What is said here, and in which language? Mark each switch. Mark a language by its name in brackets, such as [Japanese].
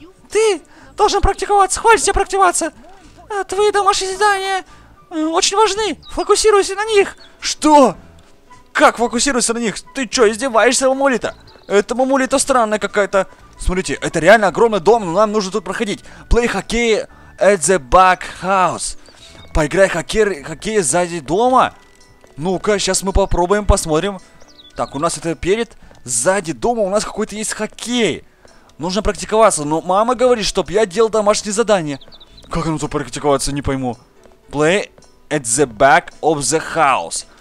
[Russian] Ты должен практиковаться! Хватит тебе практиковаться! Твои домашние задания очень важны! Фокусируйся на них! Что? Как фокусируешься на них? Ты чё, издеваешься, мамулита? Это мамулита странная какая-то. Смотрите, это реально огромный дом, но нам нужно тут проходить. [English] Play hockey at the back house. [Russian] Поиграй хоккей сзади дома. Ну-ка, сейчас мы попробуем, посмотрим. Так, у нас это перед, сзади дома у нас какой-то есть хоккей. Нужно практиковаться, но мама говорит, чтоб я делал домашнее задание. Как нам тут практиковаться, не пойму. [English] Play at the back of the house.